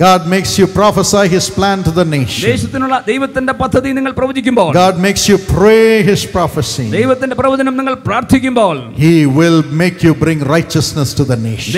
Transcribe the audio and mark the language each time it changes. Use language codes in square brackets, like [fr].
[en] God makes you prophesy his plan to the nation. [ml] ദേശത്തിനുള്ള ദൈവത്തിന്റെ പദ്ധതി നിങ്ങൾ പ്രവചിക്കുമ്പോൾ. [en] God makes you pray his prophecy. [ml] ദൈവത്തിന്റെ പ്രവചനം നിങ്ങൾ പ്രാർത്ഥിക്കുമ്പോൾ. [en] He will make you bring righteousness to the nation.